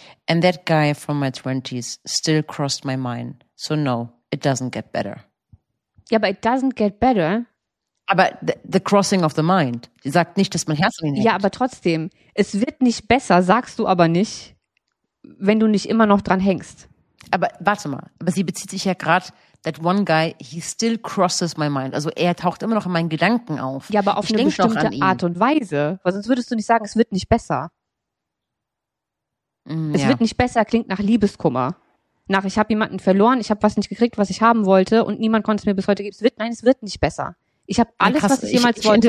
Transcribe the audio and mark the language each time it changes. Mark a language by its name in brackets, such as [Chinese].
[English] And that guy from my 20s still crossed my mind. So no, it doesn't get better. [German] Ja, aber [English] it doesn't get better. [German] Aber [English] the crossing of the mind. [German] Sie sagt nicht, dass mein Herz nicht. Ja, aber trotzdem. Es wird nicht besser, sagst du aber nicht, wenn du nicht immer noch dran hängst. Aber warte mal. Aber sie bezieht sich ja gerade. [English] That one guy, he still crosses my mind. [German] Also er taucht immer noch in meinen Gedanken auf. Ja, aber auf eine bestimmte Art und Weise. Weil sonst würdest du nicht sagen, es wird nicht besser. Mm, es wird nicht besser, klingt nach Liebeskummer. Nach, ich habe jemanden verloren, ich habe was nicht gekriegt, was ich haben wollte und niemand konnte es mir bis heute geben. Es wird nicht besser. Ich habe alles, was ich jemals wollte.